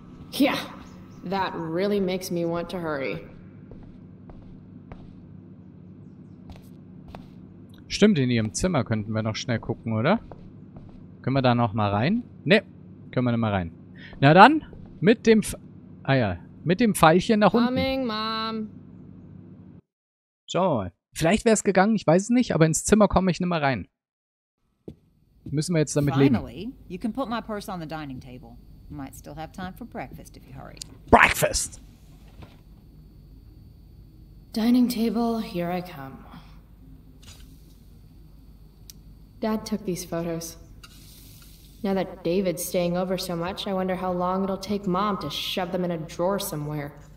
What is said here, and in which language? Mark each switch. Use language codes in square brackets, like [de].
[en] Ja, that really makes me want to hurry. [de] Stimmt, in ihrem Zimmer könnten wir noch schnell gucken, oder? Können wir da noch mal rein? Nee, können wir nicht mal rein. Na dann, mit dem mit dem Pfeilchen nach unten. [en] Coming, Mom. [de] Schauen wir mal. Vielleicht wäre es gegangen, ich weiß es nicht, aber ins Zimmer komme ich nicht mal rein. Müssen wir jetzt damit leben. [en] Finally, you can put my purse on the dining table. You might still have time for breakfast if you hurry. Breakfast! Dining table, here I come. Dad took these photos. Now that David's staying over so much, I wonder how long it'll take Mom to shove them in a drawer somewhere.